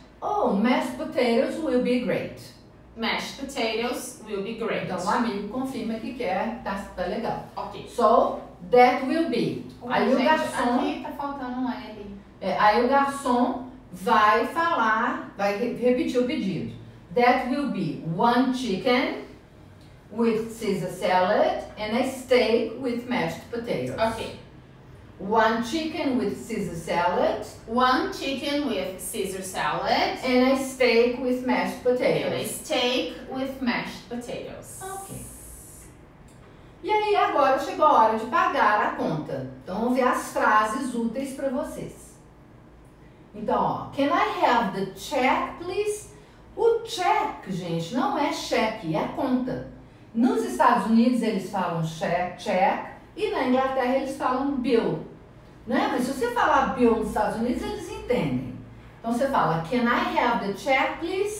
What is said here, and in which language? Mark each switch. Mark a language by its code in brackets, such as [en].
[en] Oh, mashed potatoes will be great. Mashed potatoes will be great. [pt] Então, o amigo confirma que quer, tá legal. Ok. [en] So, that will be. [pt] Aí o garçom... Aqui tá faltando um L. Aí o garçom vai falar, vai repetir o pedido. [en] That will be one chicken with Caesar salad and a steak with mashed potatoes. Okay. One chicken with Caesar salad. One chicken with Caesar salad. And a steak with mashed potatoes. And a steak with mashed potatoes. [pt] Okay. E aí, agora chegou a hora de pagar a conta. Então, vamos ver as frases úteis para vocês. [en] Então, ó, can I have the check, please? [pt] O check, gente, não é cheque, é conta. Nos Estados Unidos eles falam check e na Inglaterra eles falam bill, né? Mas se você falar bill nos Estados Unidos, eles entendem. Então você fala, [en] can I have the check, please?